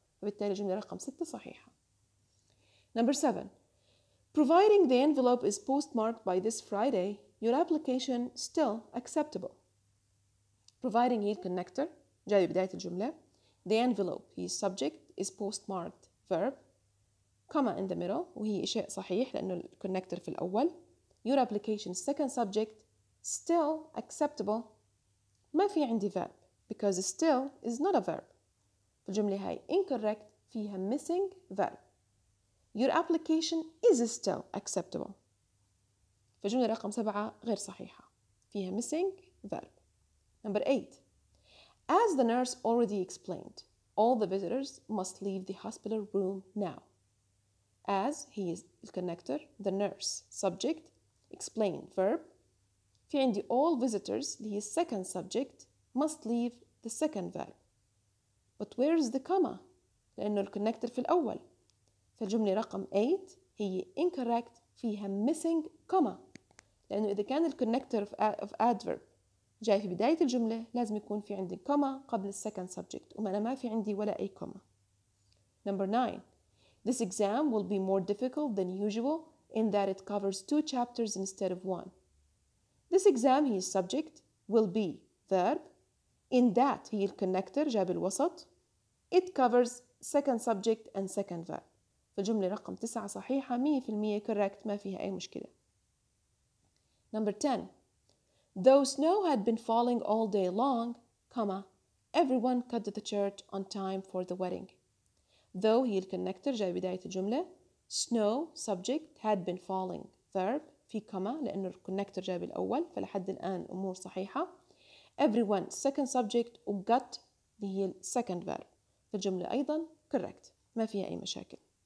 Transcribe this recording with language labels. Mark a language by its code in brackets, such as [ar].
[ar] فبالتالي جملة رقم ستة صحيحة. [en] Number seven. Providing the envelope is postmarked by this Friday, your application still acceptable. Providing here connector, [ar] جاي بداية الجملة. [en] The envelope, he is subject, is postmarked verb. Comma in the middle, [ar] وهي شيء صحيح لأنه connector في الأول. [en] Your application second subject, still acceptable. [ar] ما في عندي [en] verb, because still is not a verb. [ar] الجملة هاي [en] incorrect, فيها missing verb. Your application is still acceptable. [ar] فجملة رقم سبعة غير صحيحة فيها [en] missing verb. Number eight. As the nurse already explained, all the visitors must leave the hospital room now. As he is the connector, the nurse subject, explained verb. [ar] في عندي [en] all visitors, the second subject, must leave the second verb. But where is the comma? [ar] لأنه الconnector في الأول. فجملة رقم eight هي incorrect فيها [en] missing comma. [ar] لأنه إذا كان الconnector of adverb جاي في بداية الجملة لازم يكون في عندي comma قبل second subject وما أنا ما في عندي ولا أي comma. [en] Number nine. This exam will be more difficult than usual in that it covers two chapters instead of one. This exam, he is subject, will be verb. In that, he is connector, [ar] جاب الوسط. [en] It covers second subject and second verb. [ar] فالجملة رقم تسعة صحيحة [en] 100% correct [ar] ما فيها أي مشكلة. [en] Number 10. Though snow had been falling all day long, comma, everyone cut to the church on time for the wedding. [ar] Though هي الconnector جاي بداية الجملة. [en] Snow subject had been falling verb [ar] في comma لأنه الconnector جاي بالأول فلحد الآن أمور صحيحة. [en] Everyone second subject وcut [ar] هي [en] second verb. [ar] فالجملة أيضا correct. ما فيها أي مشاكل.